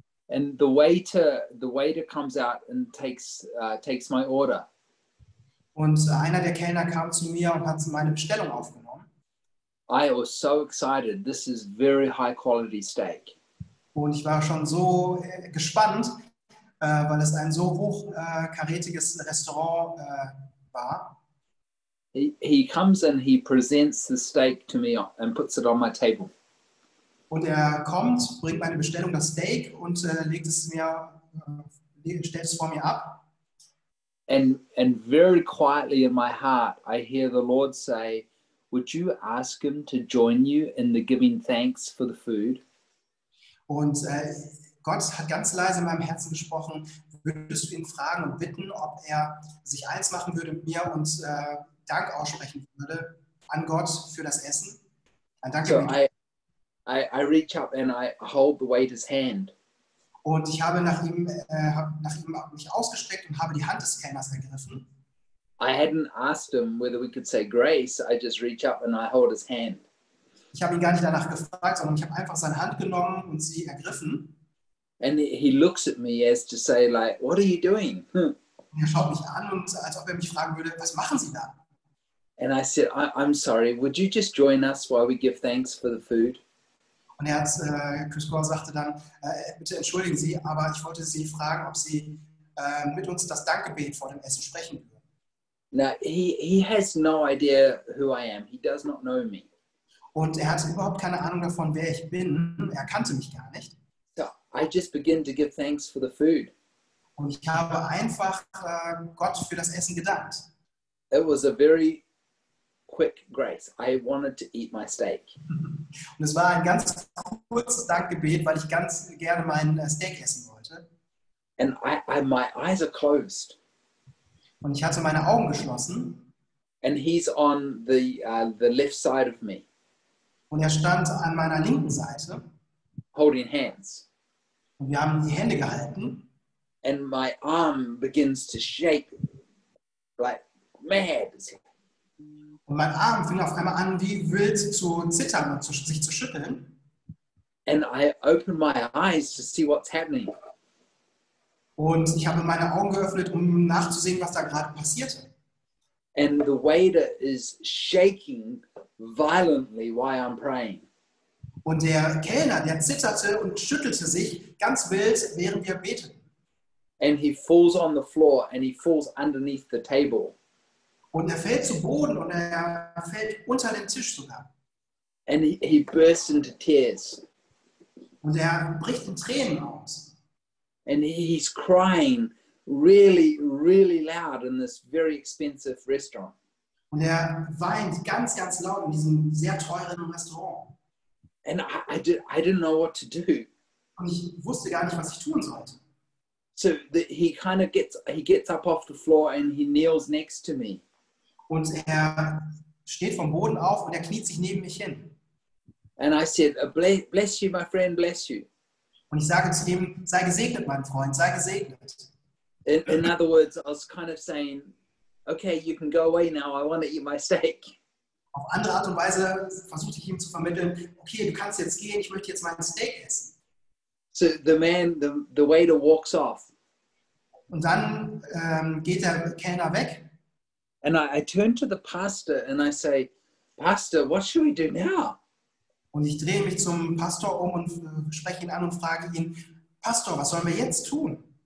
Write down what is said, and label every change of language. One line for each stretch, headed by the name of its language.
English: And the waiter comes out and takes my order.
German: Und einer der Kellner kam zu mir und hat meine Bestellung aufgenommen.
English: I was so excited. This is very high quality steak.
German: Und ich war schon so gespannt, weil es ein so hochkarätiges Restaurant war.
English: He comes and he presents the steak to me and puts it on my table.
German: Und kommt, bringt meine Bestellung, das Steak, und stellt es vor mir ab.
English: And very quietly in my heart, I hear the Lord say, would you ask him to join you in the giving thanks for the food?
German: Und Gott hat ganz leise in meinem Herzen gesprochen, würdest du ihn fragen und bitten, ob er sich eins machen würde mit mir und Dank aussprechen würde an Gott für das Essen. Ein Dank.
English: So I reach up and I hold the waiter's hand.
German: Und ich habe nach ihm mich ausgestreckt und habe die Hand des Kellners ergriffen.
English: I hadn't asked him whether we could say grace. I just reach up and I hold his hand.
German: Ich habe ihn gar nicht danach gefragt, sondern ich habe einfach seine Hand genommen und sie ergriffen.
English: And he looks at me as to say, like, what are you doing?
German: Und er schaut mich an und als ob mich fragen würde, was machen Sie da?
English: And I said, I'm sorry, would you just join us while we give thanks for the food?
German: Und Chris Gore sagte dann, bitte entschuldigen Sie, aber ich wollte Sie fragen, ob Sie mit uns das Dankgebet vor dem Essen sprechen würden.
English: Now, he has no idea who I am. He does not know me.
German: Und hat überhaupt keine Ahnung davon, wer ich bin. Er kannte mich gar nicht.
English: So, I just begin to give thanks for the food.
German: Und ich habe einfach Gott für das Essen gedankt.
English: It was a very quick grace. I wanted to eat my steak.
German: Und es war ein ganz kurzes Dankgebet, weil ich ganz gerne mein Steak essen wollte.
English: And I my eyes are closed.
German: Und ich hatte meine Augen geschlossen.
English: And he's on the left side of me.
German: Und stand an meiner linken Seite.
English: Holding hands.
German: Und wir haben die Hände gehalten.
English: And my arm begins to shake like mad.
German: Und mein Arm fing auf einmal an, wie wild zu zittern und sich zu schütteln.
English: And I opened my eyes to see what's happening.
German: Und ich habe meine Augen geöffnet, nachzusehen, was da gerade passierte.
English: And the waiter is shaking violently while I'm praying.
German: Und der Kellner, der zitterte und schüttelte sich ganz wild, während wir beteten.
English: And he falls on the floor and he falls underneath the table.
German: Und fällt zu Boden und fällt unter den Tisch sogar.
English: And he bursts into tears.
German: Und bricht in Tränen aus.
English: And he's crying, really, really loud in this very expensive restaurant.
German: Und er weint ganz, ganz laut in diesem sehr teuren Restaurant.
English: And I didn't know what to do.
German: Und ich wusste gar nicht, was ich tun sollte.
English: So the, he kind of gets up off the floor and he kneels next to me.
German: Und er steht vom Boden auf und er kniet sich neben mich hin.
English: And I said, bless you, my friend, bless you.
German: Und ich sage zu ihm, sei gesegnet, mein Freund, sei gesegnet.
English: In other words, I was kind of saying, okay, you can go away now, I want to eat my steak.
German: Auf andere Art und Weise versuchte ich ihm zu vermitteln, okay, du kannst jetzt gehen, ich möchte jetzt mein Steak essen.
English: So the man, the waiter walks off.
German: Und dann geht der Kellner weg.
English: And I turn to the pastor and I say, pastor, what should we do now?
German: Und ich drehe mich zum Pastor um und spreche ihn an und frage ihn, Pastor, was sollen wir jetzt tun?